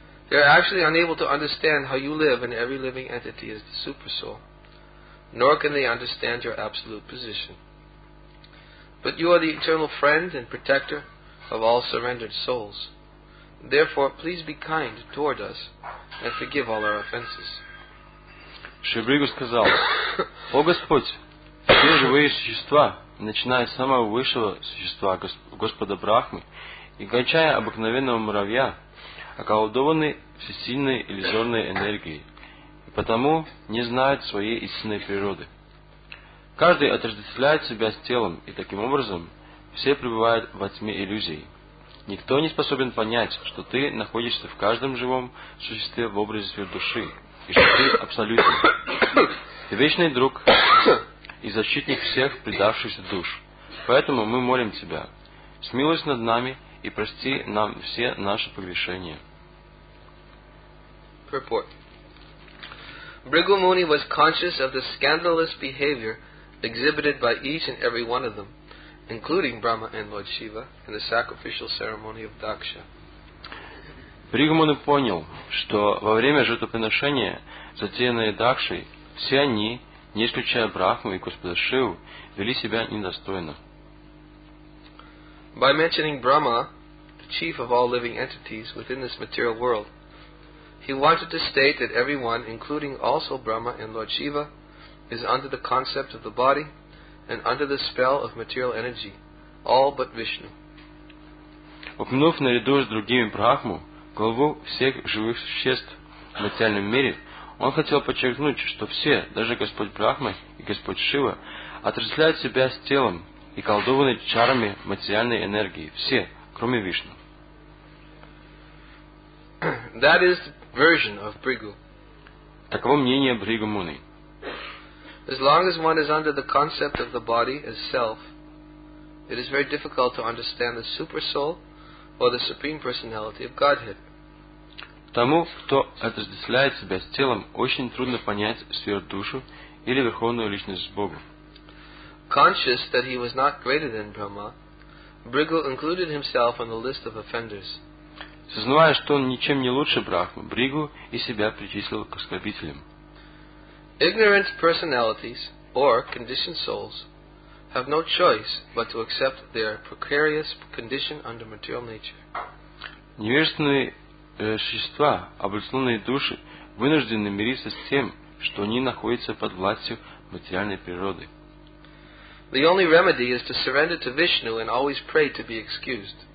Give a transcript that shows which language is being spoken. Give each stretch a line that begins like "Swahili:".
English: They are actually unable to understand how you live, and every living entity is the supersoul, nor can they understand your absolute position. But you are the eternal friend and protector of all surrendered souls. Therefore, please be kind toward us and forgive all our offenses.
Russian: Шри Бригу сказал, «О Господь, все живые существа, начиная с самого высшего существа, Господа Брахмы, и кончая обыкновенного муравья, околдованы всесильной иллюзорной энергией, и потому не знают своей истинной природы. Каждый отождествляет себя с телом, и таким образом все пребывают во тьме иллюзий. Никто не способен понять, что ты находишься в каждом живом существе в образе души, и что ты абсолютен. Ты вечный друг и защитник всех предавшихся душ. Поэтому мы молим тебя, смилуйся над нами и прости нам все наши прегрешения».
English: Purport. Bhrigu Muni was conscious of the scandalous behavior exhibited by each and every one of them, including Brahma and Lord Shiva, in the sacrificial ceremony of Daksha.
Russian: Bhrigu Muni понял, что во время жертвоприношения, затеянное Дакшей, все они, не исключая Брахму и Господа Шиву, вели себя недостойно.
English: By mentioning Brahma, the chief of all living entities within this material world, he wanted to state that everyone, including also Brahma and Lord Shiva, is under the concept of the body and under the spell of material energy, all but Vishnu.
Russian: Упомянув наряду с другими Брахму, главу всех живых существ в материальном мире, он хотел подчеркнуть, что все, даже Господь Брахма и Господь Шива, отрицают себя с телом и колдованы чарами материальной энергии. Все, кроме Вишну.
English: That is version of Bhrigu.
Russian: Таково мнение Бригу Муни.
English: As long as one is under the concept of the body as self, it is very difficult to understand the super soul or the supreme personality of Godhead.
Russian: Тому, кто отождествляет себя с телом, очень трудно понять сверхдушу или верховную личность с Богом.
English: Conscious that he was not greater than Brahma, Bhrigu included himself on the list of offenders.
Russian: Сознавая, что он ничем не лучше Брахмы, Бригу и себя причислил к оскорбителям.
English: Ignorant personalities or conditioned souls have no choice but to accept their precarious condition under material nature.
Russian: Невежественные существа, обусловленные души, вынуждены мириться с тем, что они находятся под властью материальной природы.
English: The only remedy is to surrender to Vishnu and always pray to be excused.